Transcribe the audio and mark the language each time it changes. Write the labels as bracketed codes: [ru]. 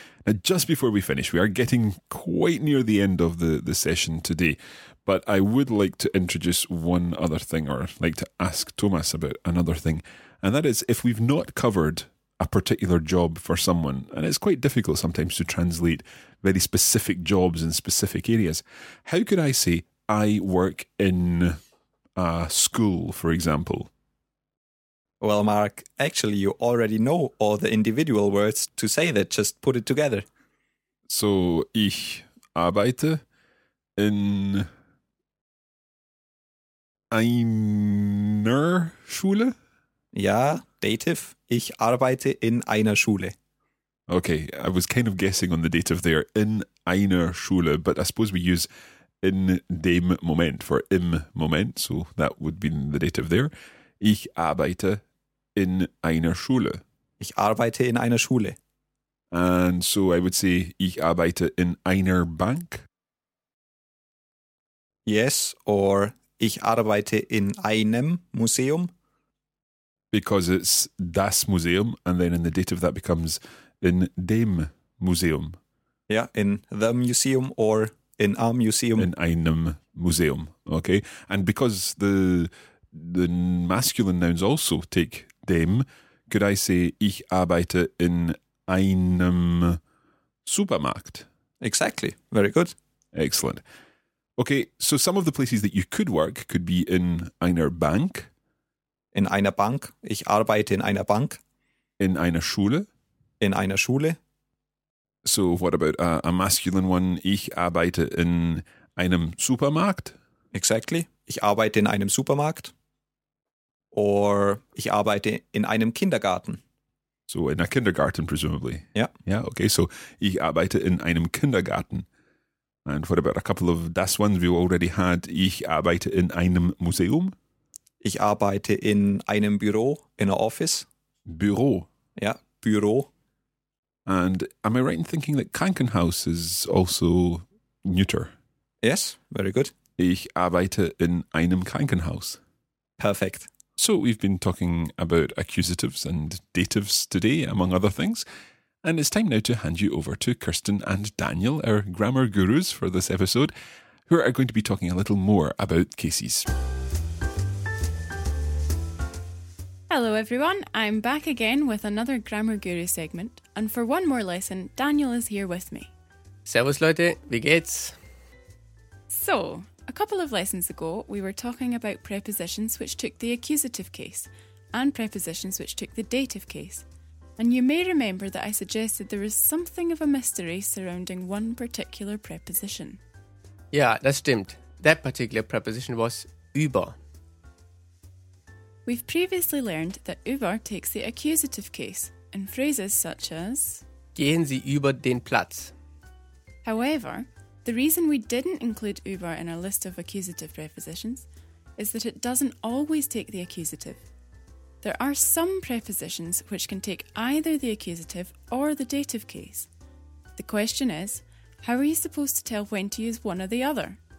[en] Now, just before we finish, we are getting quite near the end of the session today, but I would like to introduce one other thing, or like to ask Thomas about another thing, and that is if we've not covered a particular job for someone, and it's quite difficult sometimes to translate very specific jobs in specific areas, how could I say I work in a school, for example? Well, Mark, actually, you already know all the individual words to say that. Just put it together. [de] So, ich arbeite in einer Schule? Ja, Dative. Ich arbeite in einer Schule. [en] Okay, I was kind of guessing on the dative there. [de] In einer Schule. [en] But I suppose we use [de] in dem Moment [en] for [de] im Moment. [en] So that would be the dative there. [de] Ich arbeite in einer Schule. Ich arbeite in einer Schule. [en] And so I would say, [de] ich arbeite in einer Bank? [en] Yes, or [de] ich arbeite in einem Museum. [en] Because it's das Museum, and then in the dative that becomes in dem Museum. Yeah, in the museum or in a museum. [de] In einem Museum, [en] okay. And because the masculine nouns also take dem, could I say, [de] ich arbeite in einem Supermarkt? [en] Exactly. Very good. Excellent. Okay, so some of the places that you could work could be in einer Bank. [de] In einer Bank. Ich arbeite in einer Bank. In einer Schule. In einer Schule. [en] So what about a masculine one? [de] Ich arbeite in einem Supermarkt. [en] Exactly. [de] Ich arbeite in einem Supermarkt. Or ich arbeite in einem Kindergarten. [en] So in a kindergarten, presumably. Yeah. Yeah, okay. [de] So ich arbeite in einem Kindergarten. [en] And what about a couple of das ones we already had? [de] Ich arbeite in einem Museum. Ich arbeite in einem Büro, [en] in a office. [de] Büro. Yeah, Büro. [en] And am I right in thinking that Krankenhaus is also neuter? Yes, very good. [de] Ich arbeite in einem Krankenhaus. [en] Perfect. So we've been talking about accusatives and datives today, among other things. And it's time now to hand you over to Kirsten and Daniel, our grammar gurus for this episode, who are going to be talking a little more about cases. Hello everyone, I'm back again with another Grammar Guru segment, and for one more lesson, Daniel is here with me. [de] Servus Leute, wie geht's? [en] So, a couple of lessons ago, we were talking about prepositions which took the accusative case, and prepositions which took the dative case. And you may remember that I suggested there was something of a mystery surrounding one particular preposition. Yeah, that's stimmt. That particular preposition was über. We've previously learned that über takes the accusative case in phrases such as [de] Gehen Sie über den Platz. [en] However, the reason we didn't include über in our list of accusative prepositions is that it doesn't always take the accusative. There are some prepositions which can take either the accusative or the dative case. The question is, how are you supposed to tell when to use one or the other?